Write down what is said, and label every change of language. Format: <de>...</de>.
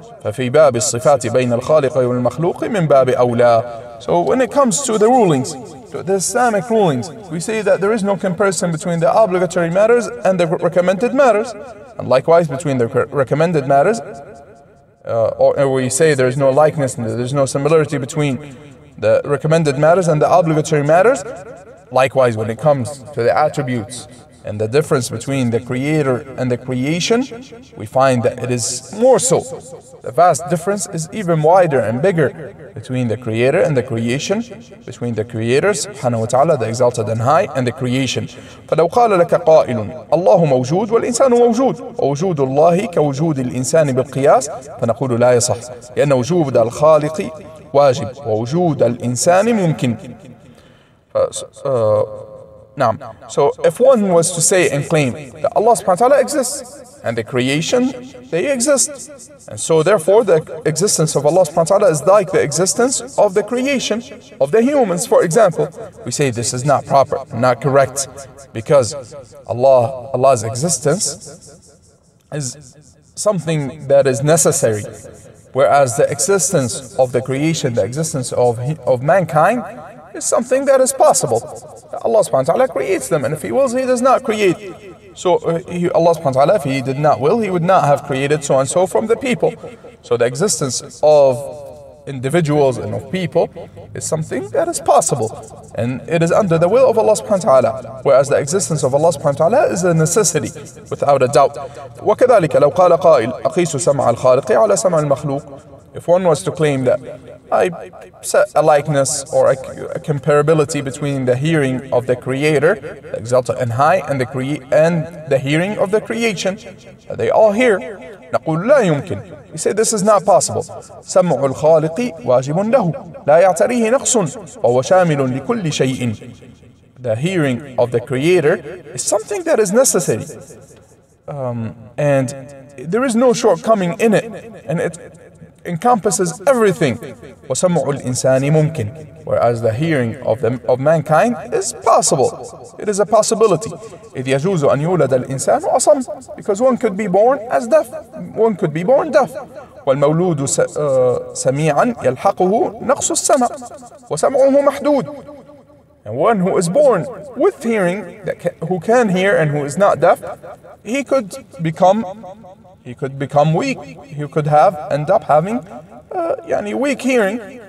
<ar>ففي باب الصفات بين الخالق والمخلوق من باب أولى.</ar> <en>So when it comes to the rulings, to the Islamic rulings, we say that there is no comparison between the obligatory matters and the recommended matters, and likewise between the recommended matters, or we say there is no likeness, there is no similarity between the recommended matters and the obligatory matters. Likewise, when it comes to the attributes and the difference between the creator and the creation, we find that it is more so. The vast difference is even wider and bigger between the creator and the creation, between the creator subhanahu wa ta'ala, the exalted and high, and the creation.</en> <ar>فلو قال لك قائل الله موجود والإنسان موجود ووجود الله كوجود الإنسان بالقياس، فنقول لا يصح، لأن وجود الخالق واجب ووجود الإنسان ممكن. نعم.</ar> <en>So if one was to say and claim that Allah subhanahu wa ta'ala exists and the creation, they exist, and so therefore the existence of Allah subhanahu wa ta'ala is like the existence of the creation of the humans, for example, we say this is not proper, not correct, because Allah's existence is something that is necessary, whereas the existence of the creation, the existence of mankind, is something that is possible. Allah subhanahu wa ta'ala creates them, and if he wills, he does not create. So Allah subhanahu wa ta'ala, if he did not will, he would not have created so and so from the people. So the existence of individuals and of people is something that is possible, and it is under the will of Allah subhanahu wa ta'ala, whereas the existence of Allah subhanahu wa ta'ala is a necessity, without a doubt.</en> <ar>وكذلك لو قال قائل أقيس سمع الخالق على سمع المخلوق.</ar> <en>If one was to claim that I set a likeness or a comparability between the hearing of the creator, the exalted and high, and the hearing of the creation, they all hear.</en> <ar>نقول لا يمكن.</ar> <en>We say this is not possible.</en> <ar>سمع الخالق واجب له لا يعتريه نقص وهو شامل لكل شيء.</ar> <en>The hearing of the creator is something that is necessary. And there is no shortcoming in it. And it encompasses everything.</en> <ar>وسمع الإنسان ممكن.</ar> <en>Whereas the hearing of mankind is possible. It is a possibility.</en> <ar>إذ يجوز أن يولد الإنسان أصم.</ar> <en>Because one could be born as deaf. One could be born deaf.</en> <ar>والمولود سميعا يلحقه نقص السمع. وسمعه محدود.</ar> <en>And one who is born with hearing, that who can hear and who is not deaf, he could become weak. He could have end up having weak hearing.</en>